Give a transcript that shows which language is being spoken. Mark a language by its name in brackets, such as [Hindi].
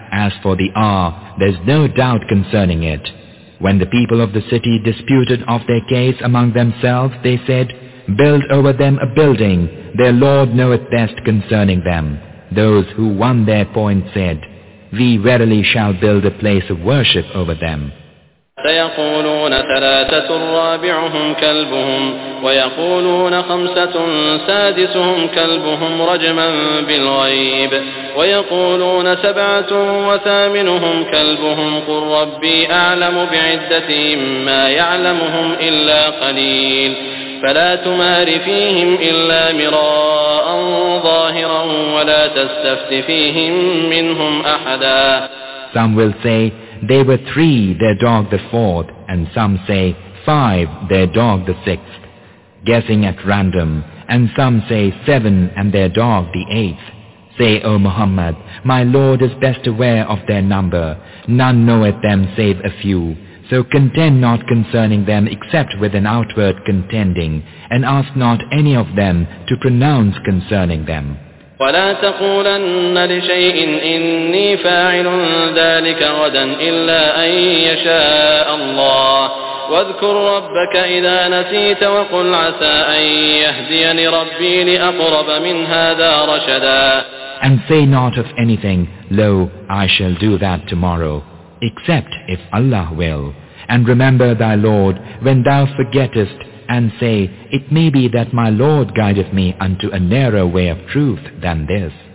[English] as for the hour, there's no doubt concerning it. When the people of the city disputed of their case among themselves, they said, Build over them a building, their Lord knoweth best concerning them. Those who won their point said, We verily shall build a place of worship over them. [Arabic] سيقولون ثلاثة رابعهم كلبهم ويقولون خمسة سادسهم كلبهم رجما بالغيب ويقولون سبعة وثامنهم كلبهم قل ربي أعلم بعدتهم ما يعلمهم إلا قليل فلا تمار فيهم إلا مراء ظاهرا ولا تستفت فيهم منهم أحدا. [English] Some will say they were three, their dog the fourth, and some say five, their dog the sixth, guessing at random, and some say seven, and their dog the eighth. Say, O Muhammad, my Lord is best aware of their number. None knoweth them save a few. So contend not concerning them except with an outward contending, and ask not any of them to pronounce concerning them. [Arabic] ولا تقولن لشيء إني فاعل ذلك غدا إلا أن يشاء الله واذكر ربك إذا نسيت وقل عسى أن يهديني ربي لأقرب من هذا رشدا. [English] And say not of anything, Lo, I shall do that tomorrow, except if Allah will. And remember thy Lord when thou forgettest, and say, It may be that my Lord guideth me unto a nearer way of truth than this.